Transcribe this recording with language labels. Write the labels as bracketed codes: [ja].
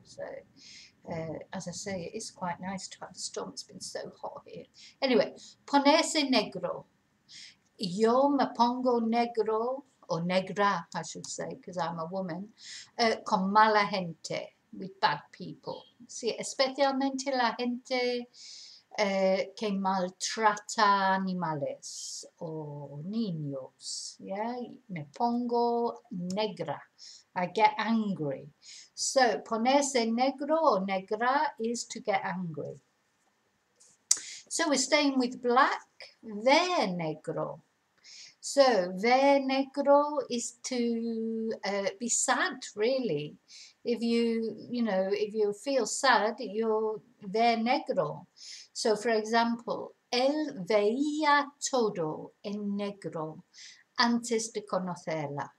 [en] So, as I say, it is quite nice to have a storm. It's been so hot here. Anyway, [es] ponerse negro. Yo me pongo negro, [en] or negra, I should say, because I'm a woman, [es] con mala gente, [en] with bad people. [es] Sí, especialmente la gente que maltrata animales o niños. [en] Yeah, [es] me pongo negra. [en] I get angry. So, ponerse negro or negra is to get angry. So, we're staying with black. Ve negro. So, ve negro is to be sad, really. If you feel sad, you're ve negro. [es] So, for example, él veía todo en negro antes de conocerla.